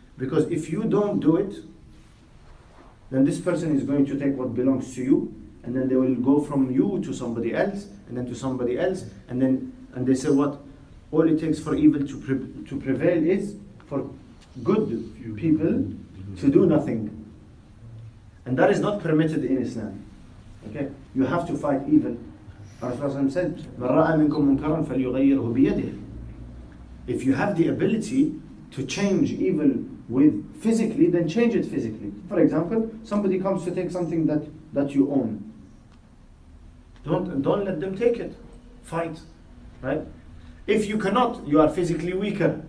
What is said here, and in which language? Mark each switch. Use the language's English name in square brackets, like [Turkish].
[English] Because if you don't do it, then this person is going to take what belongs to you, and then they will go from you to somebody else, and then to somebody else, and they say what? All it takes for evil to prevail is for good people to do nothing. And that is not permitted in Islam. Okay? You have to fight evil. Rasulullah said, [Arabic] مَنْ رَأَى مِنْكُمْ مُنْكَرًا فَلْيُغَيِّرْهُ بِيَدِهِ. [English] If you have the ability to change evil with physically, then change it physically. For example, somebody comes to take something that you own. Don't let them take it. Fight, right? If you cannot, you are physically weaker.